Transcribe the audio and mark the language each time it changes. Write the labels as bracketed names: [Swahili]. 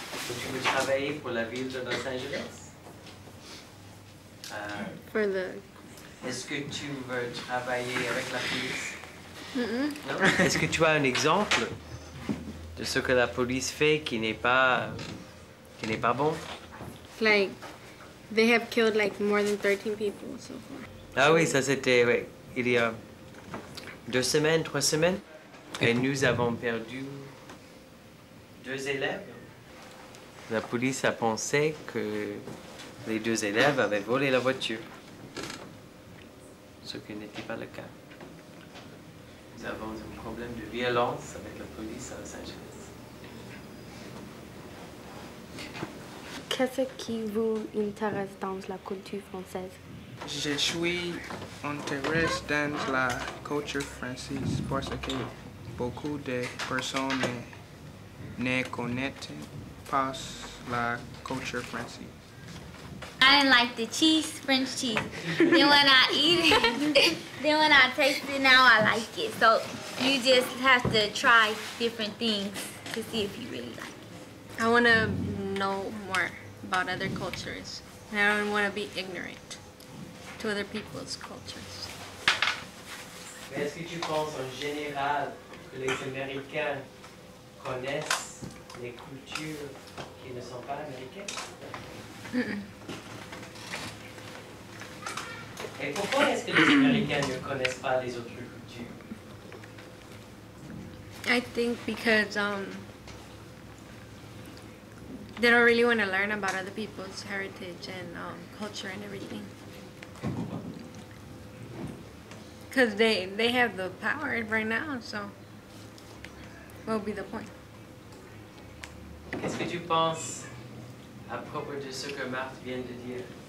[French] Vous travaillez pour la ville de Los Angeles? [English] For the... [French] Est-ce que tu veux travailler avec la police? Non? Est-ce que tu as un exemple de ce que la police fait qui n'est pas bon? [English] Like, they have killed like more than 13 people so far. [French] Ah oui, ça c'était, oui, il y a 2 semaines, 3 semaines. Et nous avons perdu 2 élèves. La police a pensé que les 2 élèves avaient volé la voiture. Ce qui n'était pas le cas. Nous avons un problème de violence avec la police à Los Angeles. Qu'est-ce qui vous intéresse dans la culture française? Je suis intéressé dans la culture française parce que beaucoup de personnes ne connaissent pas la culture française. [English] I didn't like the cheese, French cheese. Then when I eat it, then when I taste it, now I like it. So you just have to try different things to see if you really like it. I want to know more about other cultures. And I don't want to be ignorant to other people's cultures. [French] Mais est-ce que tu penses en général que les Américains connaissent les cultures qui ne sont pas américaines? Mm-mm. Et pourquoi est-ce que les Américains ne connaissent pas les autres cultures? [English] I think because they don't really want to learn about other people's heritage and culture and everything. Because they have the power right now, so what would be the point? [French] Qu'est-ce que tu penses à propos de ce que Marthe vient de dire?